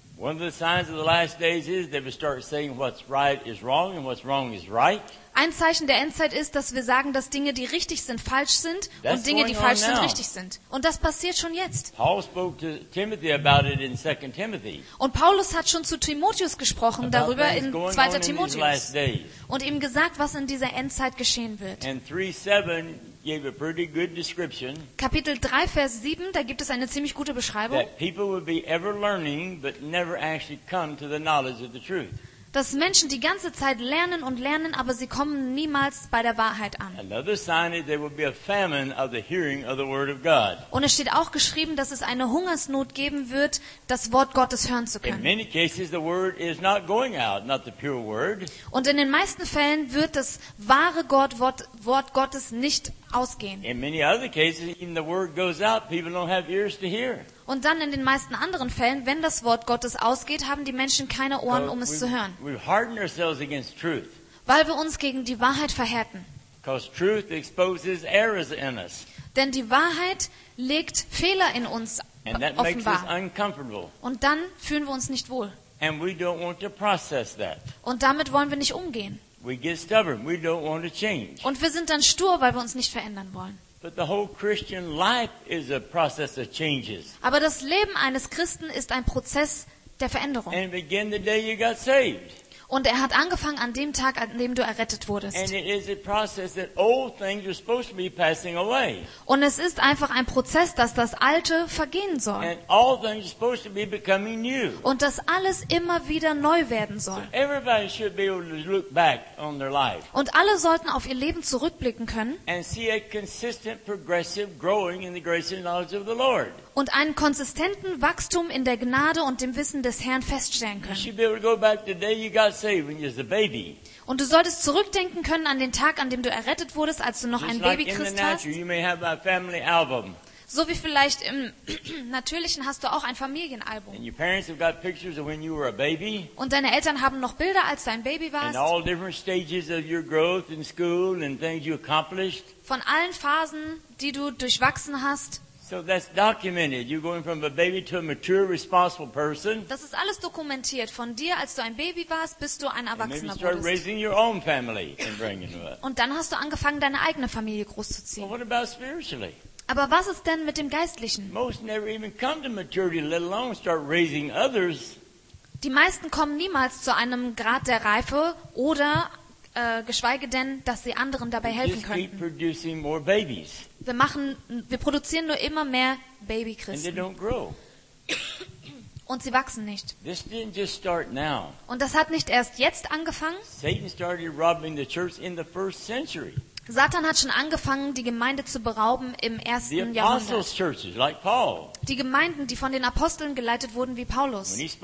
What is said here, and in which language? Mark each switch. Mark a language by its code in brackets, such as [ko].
[en] One of the signs of the last days is that we start saying what's right is wrong and what's wrong is right. [de] Ein Zeichen der Endzeit ist, dass wir sagen, dass Dinge, die richtig sind, falsch sind und Dinge, die falsch sind, richtig sind. Und das passiert schon jetzt. [en] Paul spoke to Timothy about it in 2 Timothy. [de] Und Paulus hat schon zu Timotheus gesprochen darüber in 2. Timotheus und ihm gesagt, was in dieser Endzeit geschehen wird. [en] And 3:7 gave a pretty good description. [de] Kapitel 3, Vers 7, da gibt es eine ziemlich gute Beschreibung. [en] That people would be ever learning, but never actually come to the knowledge of the truth. [de] Dass Menschen die ganze Zeit lernen und lernen, aber sie kommen niemals bei der Wahrheit an. [en] Another sign is there will be a famine of the hearing of the word of God. [de] Und es steht auch geschrieben, dass es eine Hungersnot geben wird, das Wort Gottes hören zu können. [en] In many cases the word is not going out, not the pure word. [de] Und in den meisten Fällen wird das wahre Wort Gottes nicht ausgehen. [en] In many other cases even the word goes out, people don't have ears to hear. [de] Und dann in den meisten anderen Fällen, wenn das Wort Gottes ausgeht, haben die Menschen keine Ohren, um es zu hören. Weil wir uns gegen die Wahrheit verhärten. Denn die Wahrheit legt Fehler in uns offenbar. Und dann fühlen wir uns nicht wohl. [en] And we don't want to process that. [de] Und damit wollen wir nicht umgehen. [en] We get stubborn. We don't want to change. [de] Und wir sind dann stur, weil wir uns nicht verändern wollen. [en] But the whole Christian life is a process of changes. [de] Aber das Leben eines Christen ist ein Prozess der Veränderung. [en] And begin the day you got saved. [de] Und er hat angefangen an dem Tag, an dem du errettet wurdest. Und es ist einfach ein Prozess, dass das Alte vergehen soll. [en] And all things are supposed to be becoming new. [de] Und dass alles immer wieder neu werden soll. [en] So everybody should be able to look back on their life. [de] Und alle sollten auf ihr Leben zurückblicken können. [en] And see a consistent progressive growing in the grace and knowledge of the Lord. [de] Und einen konsistenten Wachstum in der Gnade und dem Wissen des Herrn feststellen können. Und du solltest zurückdenken können an den Tag, an dem du errettet wurdest, als du noch ein Babychrist warst. So wie vielleicht im Natürlichen hast du auch ein Familienalbum. Und deine Eltern haben noch Bilder, als du ein Baby warst. Und alle verschiedenen Stages deiner Entwicklung in der Schule und Dinge, die du erreicht hast. Von allen Phasen, die du durchwachsen hast. [en] So that's documented. You're going from a baby to a mature, responsible person. [de] Das ist alles dokumentiert. Von dir, als du ein Baby warst, bist du ein Erwachsener geworden. [en] And then you start raising your own family and bringing it up. [de] Und dann hast du angefangen, deine eigene Familie großzuziehen. [en] Well, what about spiritually? [de] Aber was ist denn mit dem Geistlichen? [en] Most never even come to maturity, let alone start raising others. [de] Die meisten kommen niemals zu einem Grad der Reife oder geschweige denn, dass sie anderen dabei helfen könnten. Wir produzieren nur immer mehr Babychristen. Und sie wachsen nicht. [en] This didn't just start now. [de] Und das hat nicht erst jetzt angefangen. [en] Satan started robbing the church in the first century. [de] Satan hat schon angefangen, die Gemeinde zu berauben im ersten Jahrhundert. Die Gemeinden, die von den Aposteln geleitet wurden, wie Paulus.